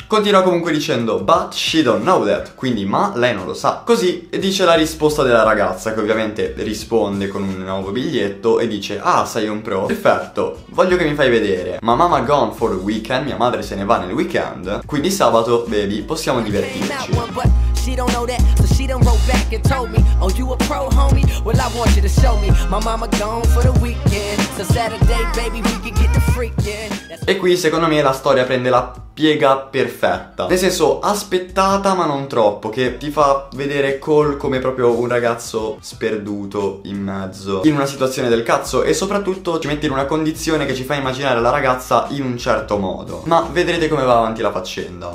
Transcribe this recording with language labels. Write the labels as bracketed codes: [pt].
[it] Continua comunque dicendo [en] but she don't know that, [it] quindi ma lei non lo sa. Così dice la risposta della ragazza, che ovviamente risponde con un nuovo biglietto e dice ah sei un pro, perfetto, voglio che mi fai vedere. [en] My mama gone for the weekend, [it] mia madre se ne va nel weekend, quindi sabato baby possiamo divertirci. [en] She don't know that, so she done wrote back and told me, oh, you a pro, homie? Well, I want you to show me. My mama gone for the weekend, so Saturday, baby, we can get the freaking. [it] E qui, secondo me, la storia prende la piega perfetta, nel senso aspettata ma non troppo, che ti fa vedere Cole come proprio un ragazzo sperduto in mezzo in una situazione del cazzo, e soprattutto ci mette in una condizione che ci fa immaginare la ragazza in un certo modo, ma vedrete come va avanti la faccenda.